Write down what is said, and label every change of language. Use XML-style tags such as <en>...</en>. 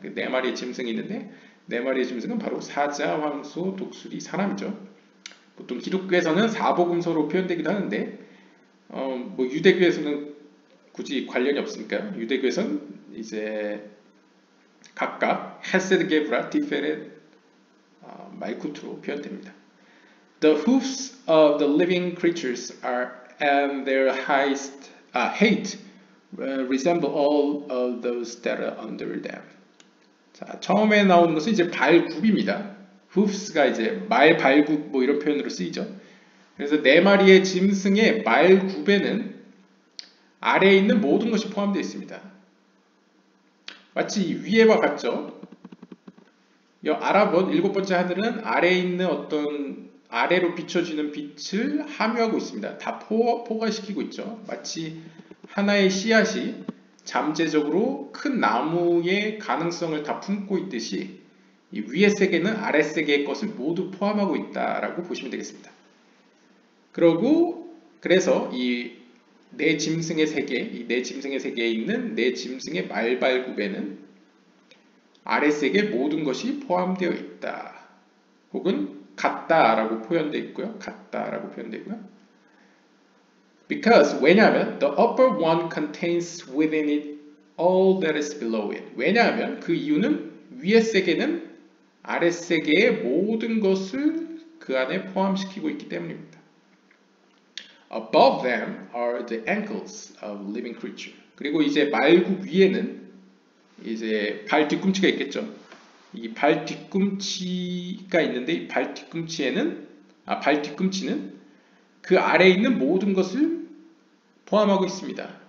<ko>네 마리의 짐승이 있는데 네 마리의 짐승은 바로 사자, 황소, 독수리, 사람이죠. 보통 기독교에서는 사복음서로 표현되기도 하는데 뭐 유대교에서는 굳이 관련이 없으니까 유대교에서는 이제 각각 헤세드 게브라, 디페렛, 말쿠트로 표현됩니다.</ko> <en>The hoofs of the living creatures are and their highest height resemble all of those that are under them.</en> <ko>자, 처음에 나오는 것은 이제 발굽입니다. Hoofs가 이제 말 발굽 뭐 이런 표현으로 쓰이죠. 그래서 네 마리의 짐승의 말굽에는 아래에 있는 모든 것이 포함되어 있습니다. 마치 위에와 같죠? 이 아랍은 일곱 번째 하늘은 아래에 있는 어떤 아래로 비춰지는 빛을 함유하고 있습니다. 다 포괄시키고 있죠. 마치 하나의 씨앗이 잠재적으로 큰 나무의 가능성을 다 품고 있듯이 이 위의 세계는 아래 세계의 것을 모두 포함하고 있다라고 보시면 되겠습니다. 그리고 그래서 이 내 짐승의 세계, 이 내 짐승의 세계에 있는 내 짐승의 말발굽에는 아래 세계 모든 것이 포함되어 있다. 혹은 같다라고 표현되어 있고요. 같다라고 표현되어 있고요.</ko> <en>Because,</en> <ko>왜냐하면</ko> <en>the upper one contains within it all that is below it.</en> <ko>왜냐하면 그 이유는 위의 세계는 아래 세계의 모든 것을 그 안에 포함시키고 있기 때문입니다.</ko> <en>Above them are the ankles of living creature.</en> <ko>그리고 이제 말굽 위에는 이제 발 뒤꿈치가 있겠죠. 이 발 뒤꿈치가 있는데 이 발 뒤꿈치에는 발 뒤꿈치는 그 아래에 있는 모든 것을 포함하고 있습니다.</ko>